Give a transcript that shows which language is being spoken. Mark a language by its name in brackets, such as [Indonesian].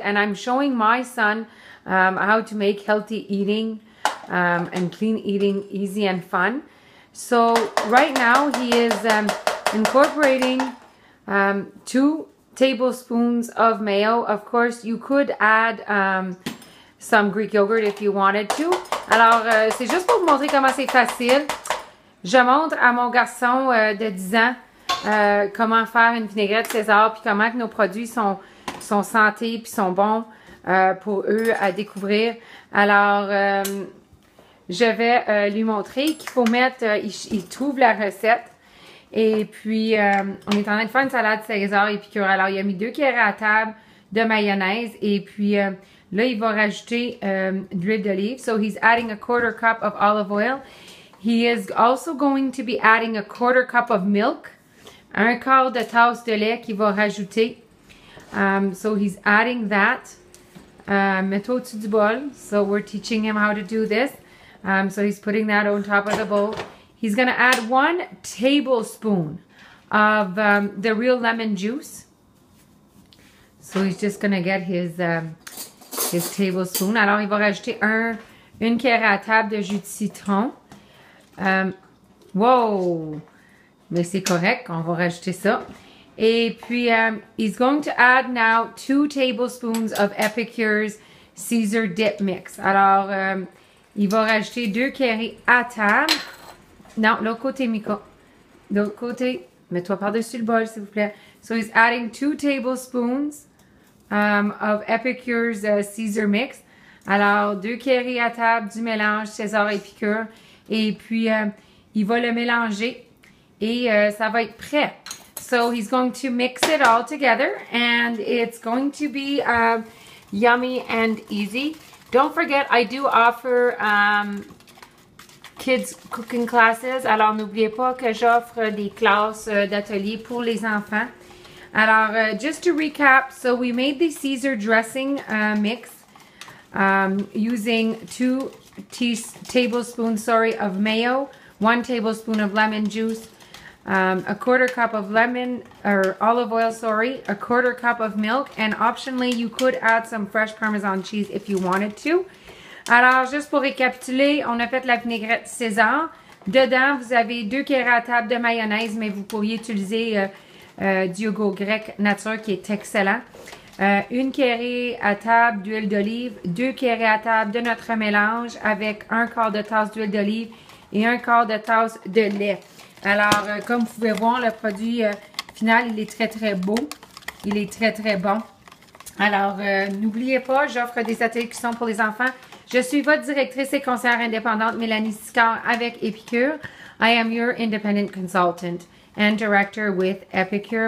[English] And I'm showing my son how to make healthy eating and clean eating easy and fun. So right now he is incorporating 2 tablespoons of mayo. Of course, you could add some Greek yogurt if you wanted to. [French] Alors, c'est juste pour vous montrer comment c'est facile. Je montre à mon garçon de 10 ans comment faire une vinaigrette César puis comment que nos produits sont santé puis sont bons pour eux à découvrir. Alors, je vais lui montrer qu'il faut mettre, il trouve la recette. Et puis, on est en train de faire une salade César et piqûre. Alors, il a mis 2 cuillères à table de mayonnaise et puis... là, il va rajouter de l'huile d'olive. [English] So he's adding 1/4 cup of olive oil. He is also going to be adding 1/4 cup of milk. [French] 1/4 tasse de lait qu'il va rajouter. [English] So he's adding that. [French] Mets-toi au-dessus du bol. [English] So we're teaching him how to do this. So he's putting that on top of the bowl. He's going to add 1 tablespoon of the real lemon juice. So he's just going to get his tablespoon. [French] Alors, il va rajouter 1 cuillère à table de jus de citron. [English] Wow! [French] Mais c'est correct, on va rajouter ça. Et puis, [English] he's going to add now 2 tablespoons of Epicure's Caesar dip mix. [French] Alors, il va rajouter 2 cuillères à table. Non, l'autre côté, Mika. L'autre côté, mets-toi par-dessus le bol, s'il vous plaît. [English] So, he's adding 2 tablespoons. Of Epicure's Caesar mix. [French] Alors, 2 cuillères à table du mélange César Epicure. Et puis, il va le mélanger. Et ça va être prêt. [English] So, he's going to mix it all together. And it's going to be yummy and easy. Don't forget, I do offer kids cooking classes. [French] Alors, n'oubliez pas que j'offre des classes d'atelier pour les enfants. [English] Alors, just to recap, so we made the Caesar dressing mix using 2 tablespoons, sorry, of mayo, 1 tablespoon of lemon juice, 1/4 cup of lemon, or olive oil, sorry, 1/4 cup of milk, and optionally, you could add some fresh Parmesan cheese if you wanted to. [French] Alors, just pour récapituler, on a fait la vinaigrette César. Dedans, vous avez 2 cuillères à table de mayonnaise, mais vous pourriez utiliser... du yogourt grec nature qui est excellent. 1 cuillère à table d'huile d'olive, 2 cuillères à table de notre mélange avec 1/4 tasse d'huile d'olive et 1/4 tasse de lait. Alors, comme vous pouvez voir, le produit final, il est très, très beau. Il est très, très bon. Alors, n'oubliez pas, j'offre des ateliers qui sont pour les enfants. Je suis votre directrice et conseillère indépendante, Mélanie Sicard, avec Epicure. [English] I am your independent consultant and director with Epicure.